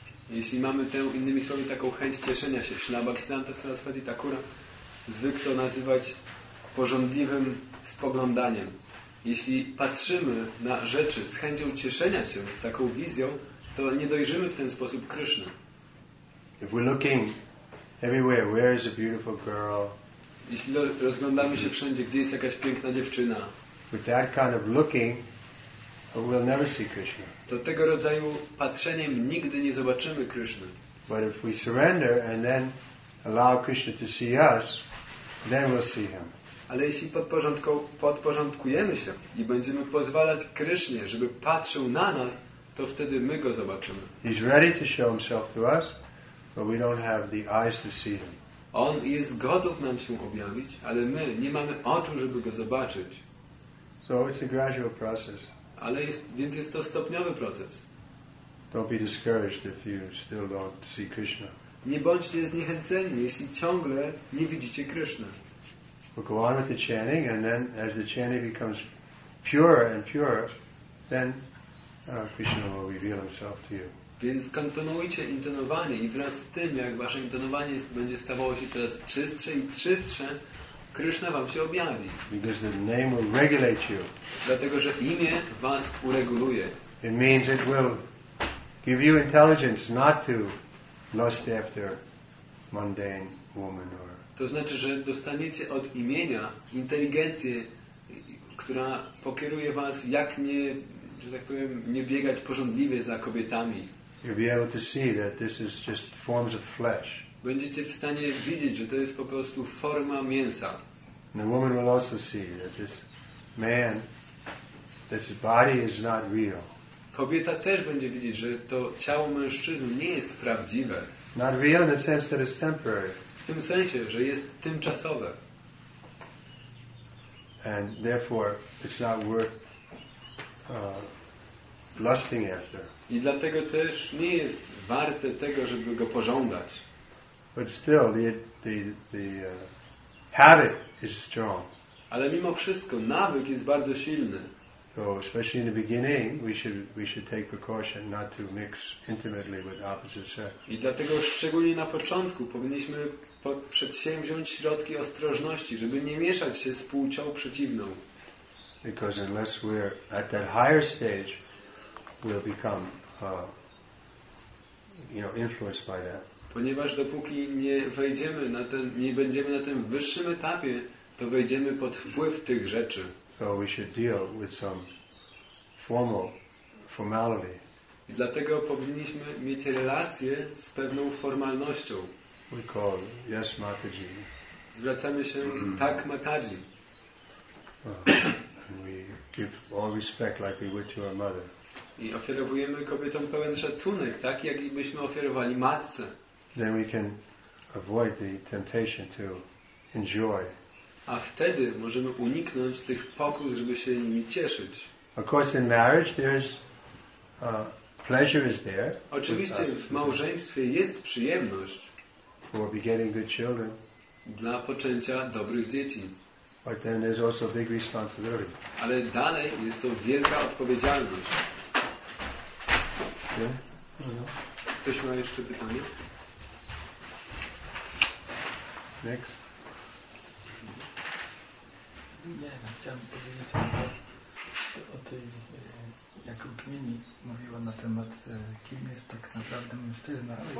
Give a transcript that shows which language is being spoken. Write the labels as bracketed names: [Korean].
[Polish] Jeśli mamy tę, innymi słowy, taką chęć cieszenia się, Śrila Bhaktisiddhanta Saraswati Thakura zwykł to nazywać pożądliwym spoglądaniem. Jeśli patrzymy na rzeczy z chęcią cieszenia się, z taką wizją, to nie dojrzymy w ten sposób Krishna. [English] If we're looking everywhere, where is a beautiful girl? [Polish] Jeśli rozglądamy się wszędzie, gdzie jest jakaś piękna dziewczyna, [English] with that kind of looking, we'll never see Krishna. [Polish] To tego rodzaju patrzeniem nigdy nie zobaczymy Krishna. [English] But if we surrender and then allow Krishna to see us, then we'll see him. [Polish] Ale jeśli podporządkujemy się i będziemy pozwalać Krishnie, żeby patrzył na nas, to wtedy my go zobaczymy. [English] He's ready to show himself to us, but we don't have the eyes to see him. [Polish] On jest gotów nam się objawić, ale my nie mamy oczu, żeby go zobaczyć. [English] So it's a gradual process. [Polish] Ale jest, więc jest to stopniowy proces. [English] Don't be discouraged if you still don't see Krishna. [Polish] Nie bądźcie zniechęceni, jeśli ciągle nie widzicie Krishna. [English] We'll go on with the chanting, and then as the chanting becomes purer and purer, then Krishna will reveal himself to you. [Polish] Więc kontynuujcie intonowanie i wraz z tym, jak wasze intonowanie będzie stawało się teraz czystsze i czystsze, Krishna wam się objawi. [English] Because the name will regulate you. [Polish] Dlatego, że imię was ureguluje. [English] It means it will give you intelligence not to lust after mundane woman or. [Polish] To znaczy, że dostaniecie od imienia inteligencję, która pokieruje was, jak nie, że tak powiem, nie biegać pożądliwie za kobietami. [English] You'll be able to see that this is just forms of flesh. [Polish] Będziecie w stanie widzieć, że to jest po prostu forma mięsa. [English] And the woman will also see that this man, that his body is not real. [Polish] Kobieta też będzie widzieć, że to ciało mężczyzny nie jest prawdziwe. [English] Not real in the sense that it's temporary. [Polish] W tym sensie, że jest tymczasowe. [English] And therefore, it's not worth lusting after. [Polish] I dlatego też nie jest warte tego, żeby go pożądać. [English] But still, the habit is strong. [Polish] Ale mimo wszystko nawyk jest bardzo silny. [English] So especially in the beginning, we should take precaution not to mix intimately with opposite sex. [Polish] I dlatego szczególnie na początku powinniśmy przedsięwziąć środki ostrożności, żeby nie mieszać się z płcią przeciwną. [English] Because unless we're at that higher stage, we'll become, influenced by that. [Polish] Ponieważ dopóki nie wejdziemy na ten, nie będziemy na tym wyższym etapie, to wejdziemy pod wpływ tych rzeczy. [English] So we should deal with some formal formality. [Polish] I dlatego powinniśmy mieć relację z pewną formalnością. [English] We call yes, Mataji. [Polish] Zwracamy się tak, Mataji. [English] We give all respect like we would to our mother. [Polish] I ofiarowujemy kobietom pełen szacunek, tak jak byśmy ofiarowali matce. [English] Then we can avoid the temptation to enjoy. [Polish] A wtedy możemy uniknąć tych pokus, żeby się nimi cieszyć. [English] Of course, in marriage there's Pleasure is there. [Polish] Oczywiście w małżeństwie jest przyjemność. [English] For begetting good children. [Polish] Dla poczęcia dobrych dzieci. [English] But then there's also big responsibility. [Polish] Ale dalej jest to wielka odpowiedzialność. [English] Yeah. [Polish] Ktoś ma jeszcze pytanie? [English] Next. [Polish] Nie, chciałem powiedzieć o tej, jak Rukmini mówiła na temat, kim jest tak naprawdę mężczyzna.